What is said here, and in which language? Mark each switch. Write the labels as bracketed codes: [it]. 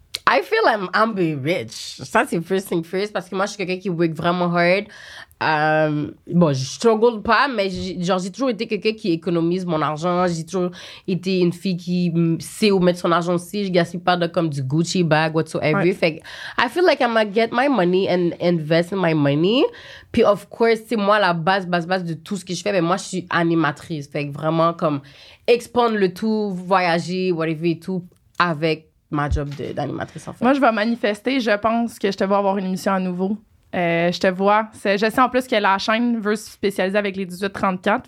[en] I feel I'm be rich. [fr] Ça, c'est [en] first thing first, [fr] parce que moi, je suis quelqu'un qui work vraiment hard. Bon, je struggle pas, mais j'ai toujours été quelqu'un qui économise mon argent. J'ai toujours été une fille qui sait où mettre son argent aussi. Je gaspille pas de comme du [en] Gucci bag, whatsoever. Right. [fr] Fait que, [en] I feel like I'm gonna get my money and invest in my money. [fr] Puis, [en] of course, [fr] c'est moi la base de tout ce que je fais. Mais moi, je suis animatrice. Fait que vraiment, comme, expandre le tout, voyager, whatever et tout, avec ma job d'animatrice, en fait. Moi, je vais manifester. Je pense que je te vois avoir une émission à nouveau. Je te vois. Je sais en plus que la chaîne veut se spécialiser avec les 18-34.